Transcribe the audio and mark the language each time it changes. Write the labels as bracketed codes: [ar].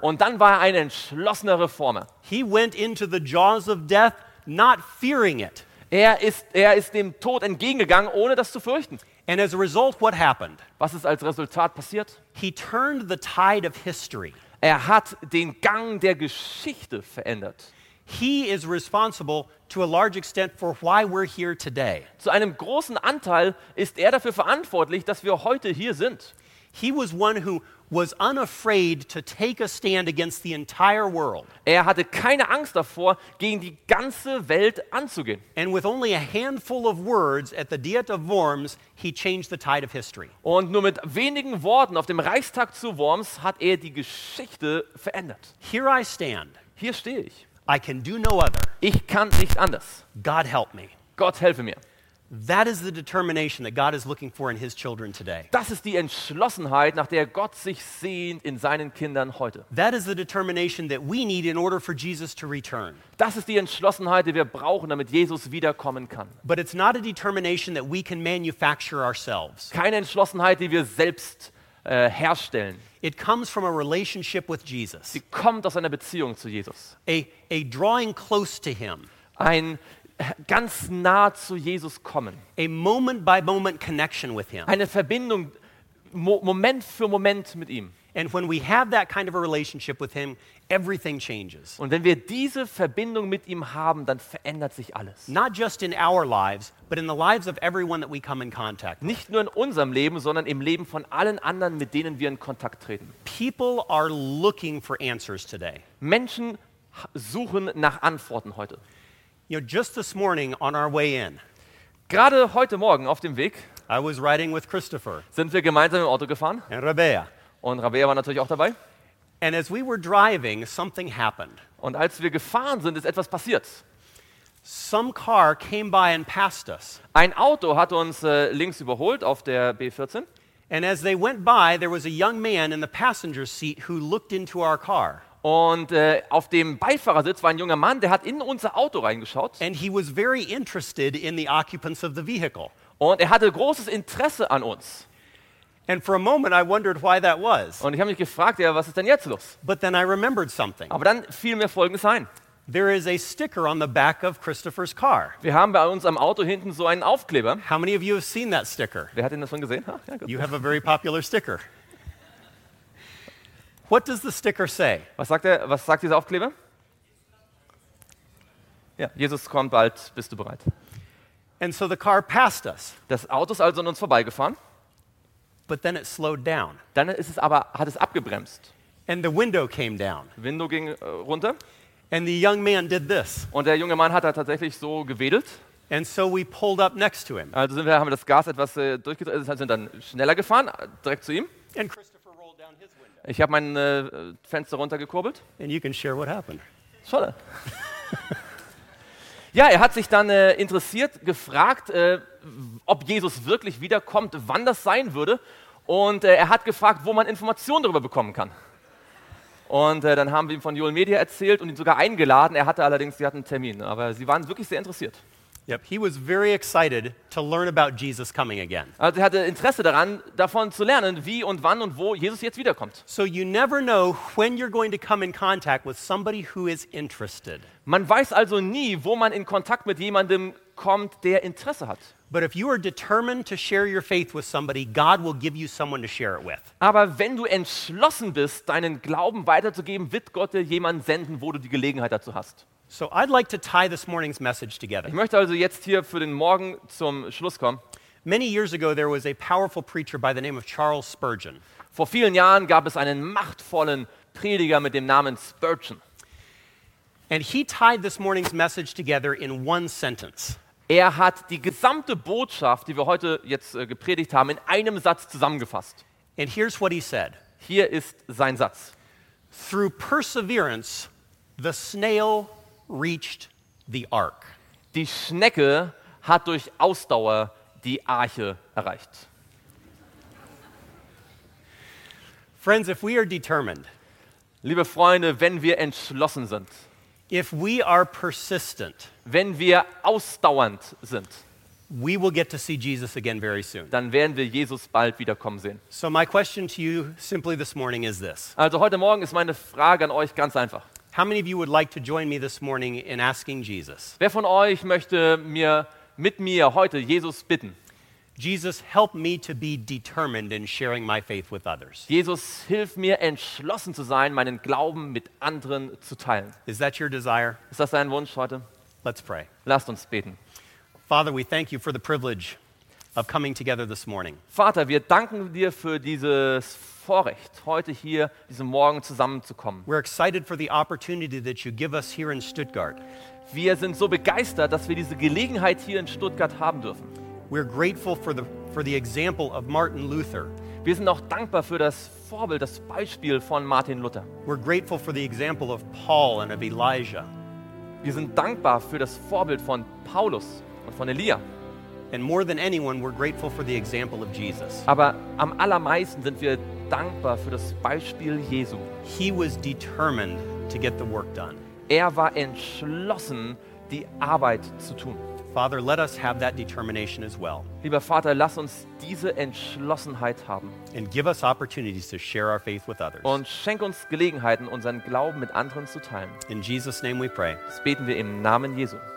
[de] Und dann war er ein entschlossener Reformer. [en] He went into the jaws of death not fearing it. [de] Er ist dem Tod entgegengegangen, ohne das zu fürchten. [en] And as a result, what happened? [de] Was ist als Resultat passiert? [en] He turned the tide of history. [de] Er hat den Gang der Geschichte verändert. [en] He is responsible to a large extent for why we're here today. [de] Zu einem großen Anteil ist er dafür verantwortlich, dass wir heute hier sind. [en] He was one who was unafraid to take a stand against the entire world. [de] Er hatte keine Angst davor, gegen die ganze Welt anzugehen. [en] And with only a handful of words at the Diet of Worms, he changed the tide of history. [de] Und nur mit wenigen Worten auf dem Reichstag zu Worms hat er die Geschichte verändert. [en] Here I stand. [de] Hier stehe ich. [en] I can do no other. [de] Ich kann nicht anders. [en] God help me. [de] Gott helfe mir. [en] That is the determination that God is looking for in his children today. [de] Das ist die Entschlossenheit, nach der Gott sich sehnt in seinen Kindern heute. [en] That is the determination that we need in order for Jesus to return. [de] Das ist die Entschlossenheit, die wir brauchen, damit Jesus wiederkommen kann. [en] But it's not a determination that we can manufacture ourselves. [de] Keine Entschlossenheit, die wir selbst herstellen. [en] It comes from a relationship with Jesus. [de] Sie kommt aus einer Beziehung zu Jesus. [en] A drawing close to him. [de] Ein ganz nah zu Jesus kommen. [en] A moment by moment connection with him. [de] Eine Verbindung Moment für Moment mit ihm. [en] And when we have that kind of a relationship with him, everything changes. [de] Und wenn wir diese Verbindung mit ihm haben, dann verändert sich alles. [en] Not just in our lives, but in the lives of everyone that we come in contact with. [de] Nicht nur in unserem Leben, sondern im Leben von allen anderen, mit denen wir in Kontakt treten. [en] People are looking for answers today. [de] Menschen suchen nach Antworten heute. [en] You know, just this morning on our way in. [de] Gerade heute Morgen auf dem Weg. [en] I was riding with Christopher. [de] Sind wir gemeinsam im Auto gefahren? [en] And Rabea. [de] Und Rabea war natürlich auch dabei. [en] And as we were driving, something happened. [de] Und als wir gefahren sind, ist etwas passiert. [en] Some car came by and passed us. [de] Ein Auto hat uns links überholt auf der B14. [en] And as they went by, there was a young man in the passenger seat who looked into our car. [de] Und auf dem Beifahrersitz war ein junger Mann, der hat in unser Auto reingeschaut. [en] And he was very interested in the occupants of the vehicle. [de] Und er hatte großes Interesse an uns. [en] And for a moment I wondered why that was. [de] Und ich habe mich gefragt, ja, was ist denn jetzt los? [en] But then I remembered something. [de] Aber dann fiel mir Folgendes ein. [en] There is a sticker on the back of Christopher's car. [de] Wir haben bei uns am Auto hinten so einen Aufkleber. [en] How many of you have seen that sticker? [de] Wer hat denn das schon gesehen? Ja, [en] you have a very popular sticker. What does the sticker say? [de] Was sagt er? Was sagt dieser Aufkleber? Ja, Jesus kommt bald. Bist du bereit? [en] And so the car passed us. [de] Das Auto ist also an uns vorbeigefahren. [en] But then it slowed down. [de] Dann ist es aber hat es abgebremst. [en] And the window came down. [de] Window ging runter. [en] And the young man did this. [de] Und der junge Mann hat da tatsächlich so gewedelt. [en] And so we pulled up next to him. [de] Also sind wir haben das Gas etwas durchgedreht. Also sind dann schneller gefahren direkt zu ihm. [en] And Christopher rolled down his window. [de] Ich habe mein Fenster runtergekurbelt. [en] And you can share what happened. [de] Schade. Ja, er hat sich dann interessiert, gefragt, ob Jesus wirklich wiederkommt, wann das sein würde. Und er hat gefragt, wo man Informationen darüber bekommen kann. Und dann haben wir ihm von Joel Media erzählt und ihn sogar eingeladen. Er hatte allerdings, sie hatten einen Termin, aber sie waren wirklich sehr interessiert. [en] Yep, he was very excited to learn about Jesus coming again. [de] Also er hatte Interesse daran, davon zu lernen, wie und wann und wo Jesus jetzt wiederkommt. [en] So you never know when you're going to come in contact with somebody who is interested. [de] Man weiß also nie, wo man in Kontakt mit jemandem kommt, der Interesse hat. [en] But if you are determined to share your faith with somebody, God will give you someone to share it with. [de] Aber wenn du entschlossen bist, deinen Glauben weiterzugeben, wird Gott dir jemanden senden, wo du die Gelegenheit dazu hast. [en] So I'd like to tie this morning's message together. [de] Ich möchte also jetzt hier für den Morgen zum Schluss kommen. [en] Many years ago there was a powerful preacher by the name of Charles Spurgeon. [de] Vor vielen Jahren gab es einen machtvollen Prediger mit dem Namen Spurgeon. [en] And he tied this morning's message together in one sentence. [de] Er hat die gesamte Botschaft, die wir heute jetzt gepredigt haben, in einem Satz zusammengefasst. [en] And here's what he said. [de] Hier ist sein Satz. [en] Through perseverance the snail reached the ark. [de] Die Schnecke hat durch Ausdauer die Arche erreicht. [en] Friends, if we are determined, [de] liebe Freunde, wenn wir entschlossen sind, [en] if we are persistent, [de] wenn wir ausdauernd sind, [en] we will get to see Jesus again very soon. [de] Dann werden wir Jesus bald wiederkommen sehen. [en] So my question to you simply this morning is this. [de] Also heute Morgen ist meine Frage an euch ganz einfach. [en] How many of you would like to join me this morning in asking Jesus? [de] Wer von euch möchte mit mir heute Jesus bitten? [en] Jesus, help me to be determined in sharing my faith with others. [de] Jesus, hilf mir, entschlossen zu sein, meinen Glauben mit anderen zu teilen. [en] Is that your desire? [de] Ist das dein Wunsch heute? [en] Let's pray. [de] Lasst uns beten. [en] Father, we thank you for the privilege of coming together this morning. [de] Vater, wir danken dir für dieses Vorrecht, heute hier diesen Morgen zusammenzukommen. [en] We're excited for the opportunity that you give us here in Stuttgart. [de] Wir sind so begeistert, dass wir diese Gelegenheit hier in Stuttgart haben dürfen. [en] We're grateful for the example of Martin Luther. [de] Wir sind auch dankbar für das Vorbild, das Beispiel von Martin Luther. [en] We're grateful for the example of Paul and of Elijah. [de] Wir sind dankbar für das Vorbild von Paulus und von Elia. [en] And more than anyone, we're grateful for the example of Jesus. [de] Aber am allermeisten sind wir dankbar für das Beispiel Jesu. [en] He was determined to get the work done. [de] Er war entschlossen, die Arbeit zu tun. [en] Father, let us have that determination as well. [de] Lieber Vater, lass uns diese Entschlossenheit haben. [en] And give us opportunities to share our faith with others. [de] Und schenk uns Gelegenheiten, unseren Glauben mit anderen zu teilen. [en] In Jesus' name we pray. [de] Das beten wir im Namen Jesu.